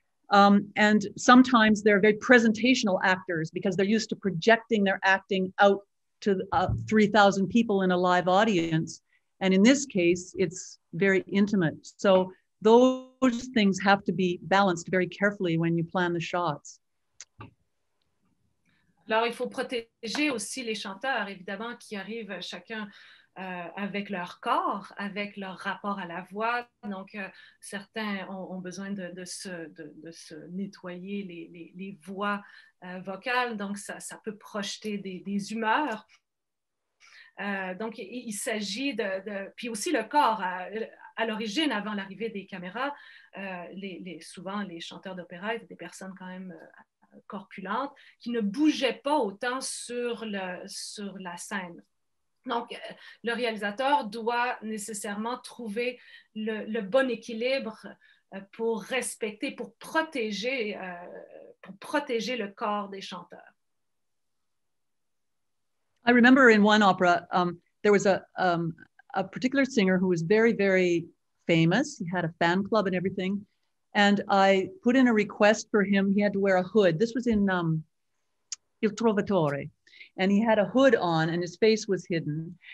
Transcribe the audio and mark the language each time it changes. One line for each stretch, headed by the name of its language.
English: And sometimes they're very presentational actors because they're used to projecting their acting out to 3,000 people in a live audience. And in this case, it's very intimate. So those things have to be balanced very carefully when you plan the shots.
French: Alors, il faut protéger aussi les chanteurs, évidemment, qui arrivent chacun avec leur corps, avec leur rapport à la voix. Donc, certains ont besoin de se nettoyer les voix vocales. Donc, ça peut projeter des humeurs. Donc, il s'agit de... Puis aussi, le corps... À l'origine, avant l'arrivée des caméras, souvent les chanteurs d'opéra étaient des personnes quand même corpulentes qui ne bougeaient pas autant sur la scène. Donc, le réalisateur doit nécessairement trouver le bon équilibre pour respecter, pour protéger le corps des chanteurs.
English: I remember in one opera, there was a particular singer who was very, very famous. He had a fan club and everything. And I put in a request for him. He had to wear a hood. This was in Il Trovatore. And he had a hood on and his face was hidden.